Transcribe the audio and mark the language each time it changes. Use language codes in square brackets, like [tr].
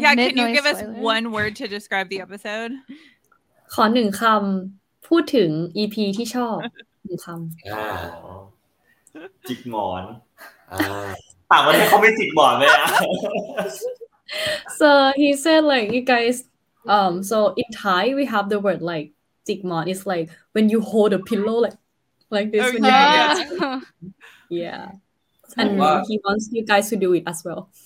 [en] yeah can you give us one word to describe the episode [th] ขอ1คำพูดถึง EP ที่ชอบหนึ่งคำ จิกหงอนต่างประเทศเขาไม่จิกหงอนไหมอะ [en] So he said like you guys so in Thai we have the word like จิกหงอน is like when you hold a pillow like this when you hold it yeah and he wants you guys to do it as well